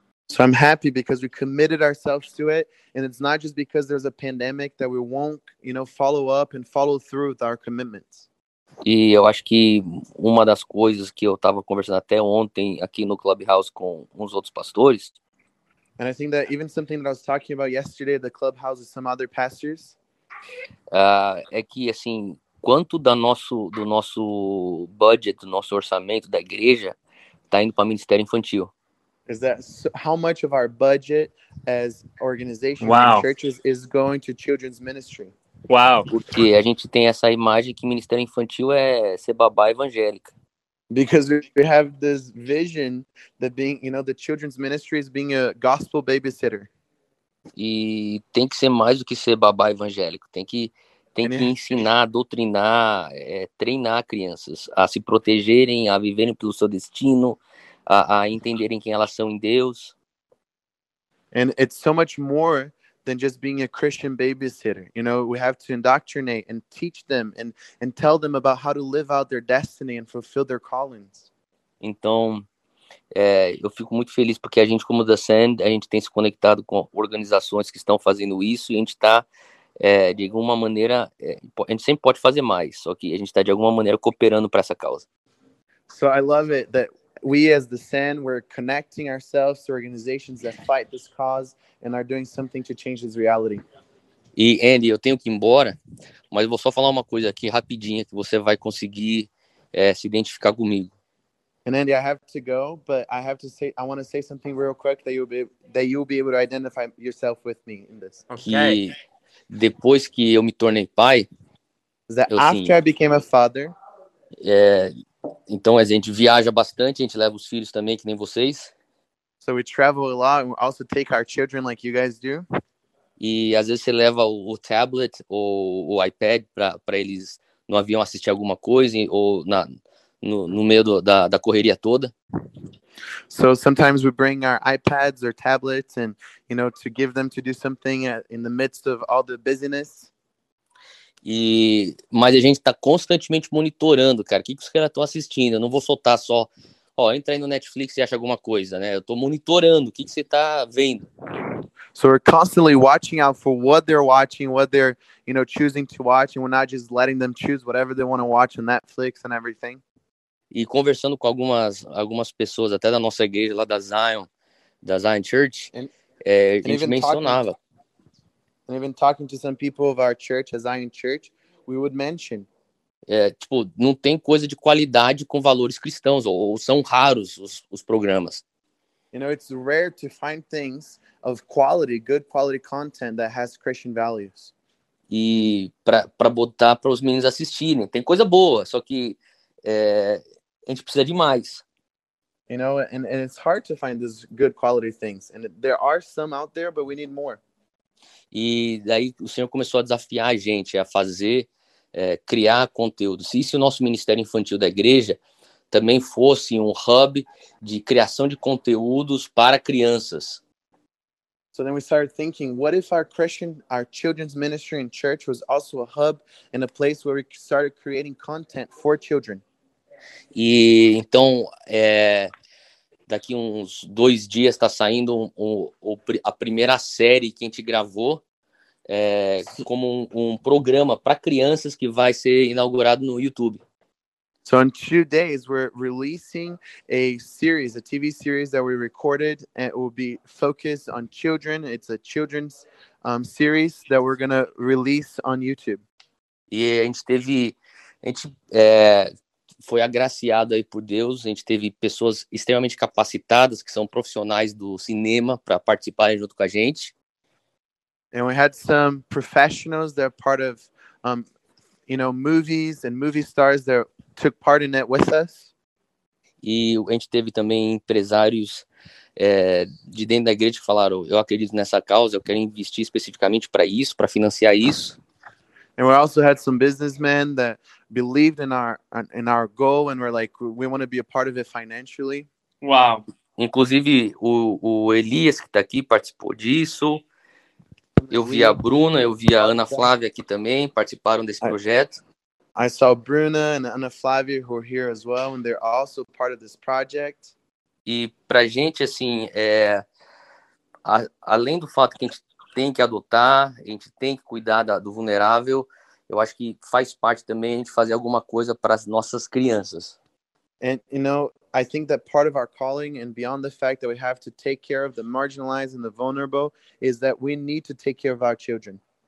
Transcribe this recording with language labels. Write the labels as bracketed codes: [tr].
[en] So I'm happy because we committed ourselves to it and it's not just because there's a pandemic that we won't, you know, follow up and follow through with our commitments. [pt] E eu acho que uma das coisas que eu estava conversando até ontem aqui no Clubhouse com uns outros pastores. [en] And I think that even something that I was talking about yesterday at the Clubhouse with some other pastors. [pt] É que, assim, quanto do nosso budget, do nosso orçamento da igreja, está indo para o Ministério Infantil? [en] Is that how much of our budget as organizations and churches is going to children's ministry? Wow. [pt] Porque a gente tem essa imagem que Ministério Infantil é ser babá evangélica. [en] Because we have this vision that being, you know, the children's ministry is being a gospel babysitter. [pt] E tem que ser mais do que ser babá evangélico. Tem que ensinar, doutrinar, treinar crianças a se protegerem, a viverem pelo seu destino, a entenderem quem elas são em Deus. [en] And it's so much more than just being a Christian babysitter. You know, we have to indoctrinate and teach them and tell them about how to live out their destiny and fulfill their callings. [pt] Então, eu fico muito feliz porque a gente, como The Sand, a gente tem se conectado com organizações que estão fazendo isso e a gente está, de alguma maneira, a gente sempre pode fazer mais, só que a gente está, de alguma maneira, cooperando para essa causa. [en] So I love it that we as The Sand, we're connecting ourselves to organizations that fight this cause and are doing something to change this reality. [pt] E Andy, eu tenho que ir embora, mas vou só falar uma coisa aqui rapidinha que você vai conseguir se identificar comigo. [en] And Andy, I have to go, but I have to say, I want to say something real quick that you'll be able to identify yourself with me in this. [pt] Okay. Que depois que eu me tornei pai, [en] I became a father. [pt] Então a gente viaja bastante, a gente leva os filhos também, que nem vocês. So we travel a lot and we also take our children like you guys do. E às vezes você leva o tablet ou o iPad para eles no avião assistir alguma coisa ou no meio da correria toda. [en] So sometimes we bring our iPads or tablets and, you know, to give them to do something in the midst of all the busyness. [pt] Mas a gente está constantemente monitorando, cara. O que os caras estão assistindo? Eu não vou soltar só, entra aí no Netflix e acha alguma coisa, né? Eu estou monitorando. O que você está vendo? [en] So we're constantly watching out for what they're watching, what they're, you know, choosing to watch, and we're not just letting them choose whatever they want to watch on Netflix and everything. [pt] E conversando com algumas pessoas, até da nossa igreja lá da Zion Church, a gente mencionava. [en] And even talking to some people of our church, as I in church, we would mention. [pt] Tipo, não tem coisa de qualidade com valores cristãos, ou são raros os programas. [en] You know, it's rare to find things of quality, good quality content that has Christian values. [pt] E para botar para os meninos assistirem. Tem coisa boa, só que a gente precisa de mais. [en] You know, and it's hard to find these good quality things. And there are some out there, but we need more. [pt] E daí o Senhor começou a desafiar a gente a fazer, criar conteúdo. Se o nosso Ministério Infantil da Igreja também fosse um hub de criação de conteúdos para crianças. [en] So then we started thinking, what if our children's ministry in church was also a hub and a place where we started creating content for children? [pt] E então, daqui uns 2 dias está saindo a primeira série que a gente gravou como um programa para crianças que vai ser inaugurado no YouTube. [en] So in 2 days we're releasing a series, a TV series that we recorded, and it will be focused on children. It's a children's series that we're gonna release on YouTube. [pt] E foi agraciado aí por Deus, a gente teve pessoas extremamente capacitadas, que são profissionais do cinema, para participarem junto com a gente. [en] And we had some professionals that are part of, you know, movies and movie stars that took part in it with us. [pt] E a gente teve também empresários de dentro da igreja que falaram, eu acredito nessa causa, eu quero investir especificamente para isso, para financiar isso. [en] And we also had some businessmen that believed in our goal and were like, we want to be a part of it financially. Wow. [pt] Inclusive, o Elias, que está aqui, participou disso. Eu vi a Bruna, eu vi a Ana Flávia aqui também, participaram desse projeto. [en] I saw Bruna and Ana Flávia, who are here as well, and they're also part of this project. [pt] E pra gente, assim, além do fato que a gente tem que adotar, a gente tem que cuidar do vulnerável, eu acho que faz parte também a gente fazer alguma coisa para as nossas crianças. [en] And, you know, I think that part of our calling, and beyond the fact that we have to take care of the marginalized and the vulnerable, is that we need to take care of our children.